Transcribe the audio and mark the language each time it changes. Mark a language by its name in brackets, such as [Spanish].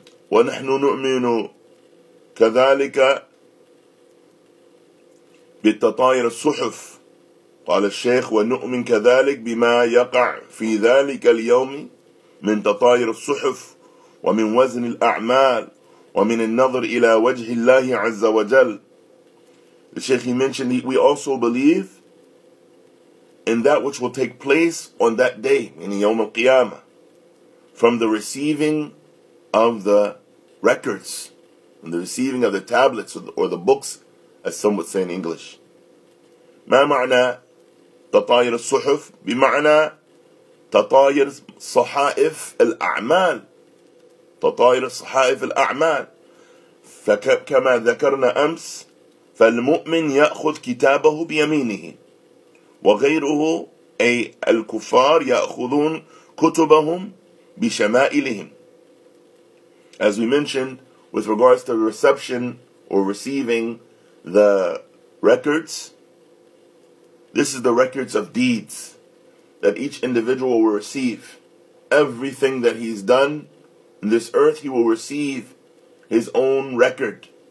[Arabic] وَنَحْنُ نُؤْمِنُ كَذَلِكَ بِالتَّطَايرِ الصُّحُفِ قَالَ الشَّيْخُ وَنُؤْمِنُ كَذَلِكَ بِمَا يَقَعْ فِي ذَلِكَ الْيَوْمِ مِنْ تَطَايرِ الصُّحُفِ وَمِنْ وَزْنِ الْأَعْمَالِ وَمِنْ النَّظْرِ إِلَى وَجْهِ اللَّهِ عَزَّ وَجَلَّ. [English] The Shaykh, he mentioned, we also believe in that which will take place on that day, meaning Yawm al-Qiyamah, from the receiving of the records, from the receiving of the tablets or the books, as some would say in English. [Arabic] ما معنى تطاير الصحف بمعنى تطاير صحائف الأعمال تطاير صحائف الأعمال فكما ذكرنا أمس فالمؤمن يأخذ كتابه بيمينه وغيره أي الكفار يأخذون كتبهم بشمائلهم. [English] As we mentioned with regards to reception or receiving the records, this is the records of deeds that each individual will receive. Everything that he's done in this earth, he will receive his own record.